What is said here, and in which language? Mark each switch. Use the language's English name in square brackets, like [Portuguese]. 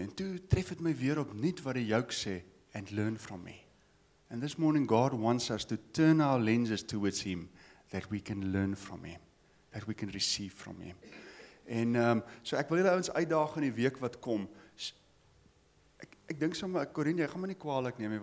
[Afrikaans] En toe tref het my weer op niet wat die yoke sê. [English] And learn from me. And this morning God wants us to turn our lenses towards him. That we can learn from him. That we can receive from him. [Afrikaans] En so ek wil julle ouens uitdaag in die week wat kom. Ek dink sommer Corin, jy gaan my nie kwaalik neem nie.